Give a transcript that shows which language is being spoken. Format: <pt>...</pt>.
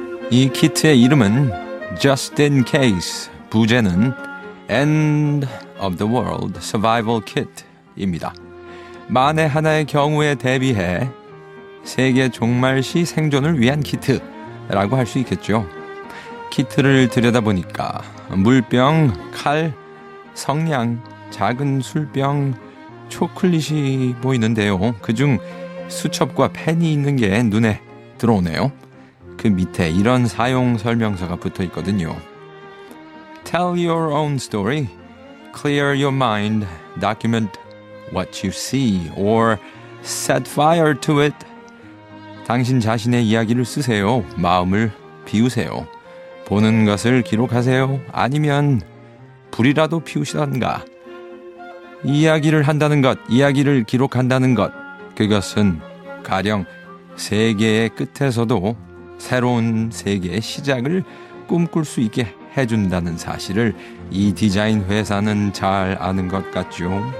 <ko>이 키트의 이름은 Just in Case, 부제는 End of the World Survival Kit입니다. 만에 하나의 경우에 대비해 세계 종말 시 생존을 위한 키트라고 할 수 있겠죠. 키트를 들여다보니까 물병, 칼, 성냥, 작은 술병, 초콜릿이 보이는데요. 그중 수첩과 펜이 있는 게 눈에 들어오네요. 그 밑에 이런 사용 설명서가 붙어 있거든요.</ko> <en>Tell your own story, clear your mind, document what you see, or set fire to it.</en> <ko>당신 자신의 이야기를 쓰세요. 마음을 비우세요. 보는 것을 기록하세요. 아니면 불이라도 피우시던가. 이야기를 한다는 것, 이야기를 기록한다는 것, 그것은 가령 세계의 끝에서도 새로운 세계의 시작을 꿈꿀 수 있게 해준다는 사실을 이 디자인 회사는 잘 아는 것 같죠.</ko>